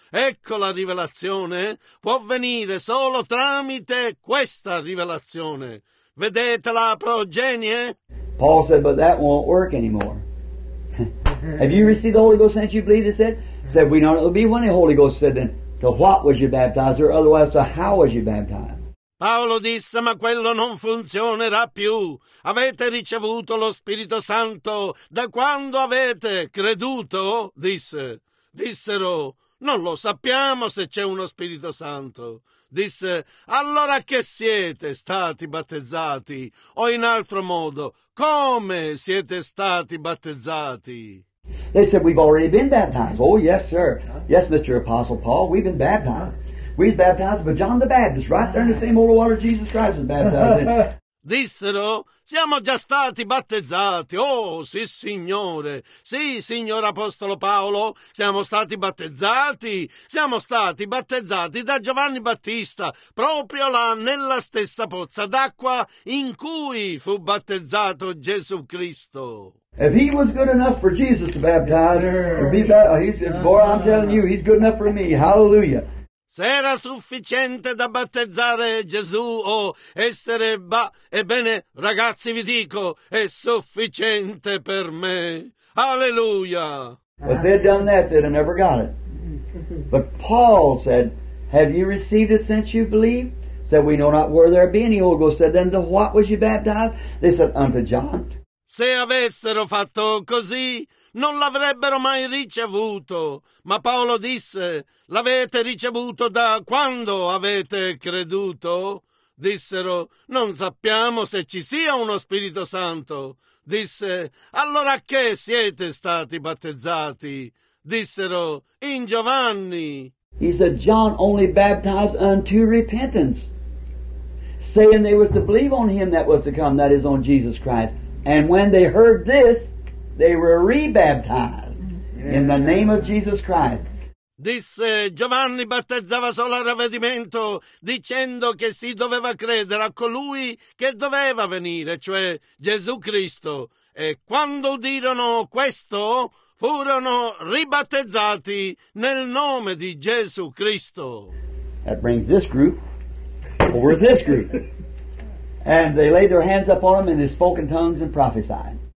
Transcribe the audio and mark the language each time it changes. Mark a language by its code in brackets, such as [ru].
[it] Ecco la rivelazione. Può venire solo tramite questa rivelazione. Vedete la progenie? [en] Paul said, but that won't work anymore. Have you received the Holy Ghost since you believed? He said, we know it will be when the Holy Ghost said then. To what was you baptized, or otherwise to how was you baptized? [it] Paolo disse, ma quello non funzionerà più. Avete ricevuto lo Spirito Santo da quando avete creduto? Disse. Dissero, non lo sappiamo se c'è uno Spirito Santo. Disse, allora che siete stati battezzati? O in altro modo, come siete stati battezzati? [en] They said, we've already been baptized. Oh, yes, sir. Yes, Mr. Apostle Paul, we've been baptized. We're baptized by John the Baptist, right there in the same holy water Jesus Christ was baptized in. [it] Dissero, siamo già stati battezzati. Oh, sì, Signore. Sì, signor Apostolo Paolo, siamo stati battezzati. Siamo stati battezzati da Giovanni Battista, proprio là nella stessa pozza d'acqua in cui fu battezzato Gesù Cristo. [en] If he was good enough for Jesus to baptize, I'm telling you, he's good enough for me. Hallelujah. [it] Se era sufficiente da battezzare Gesù o essere ebbene, ragazzi, vi dico, è sufficiente per me. Alleluia! [en] But if they'd done that, they'd have never got it. But Paul said, have you received it since you believed? Said, we know not where there be any. Holy Ghost said, then to what was you baptized? They said, unto John. [it] Se avessero fatto così, non l'avrebbero mai ricevuto. Ma Paolo disse, l'avete ricevuto da quando avete creduto? Dissero, non sappiamo se ci sia uno Spirito Santo. Disse, allora che siete stati battezzati? Dissero, in Giovanni. [en] He said, John only baptized unto repentance, saying they was to believe on him that was to come, that is on Jesus Christ. And when they heard this, they were rebaptized in the name of Jesus Christ. [it] Disse, Giovanni battezzava solo al ravvedimento, dicendo che si doveva credere a colui che doveva venire, cioè Gesù Cristo. E quando udirono questo, furono ribattezzati nel nome di Gesù Cristo. [en] That brings this group over this group. And they laid their hands upon them and they spoke in tongues and prophesied.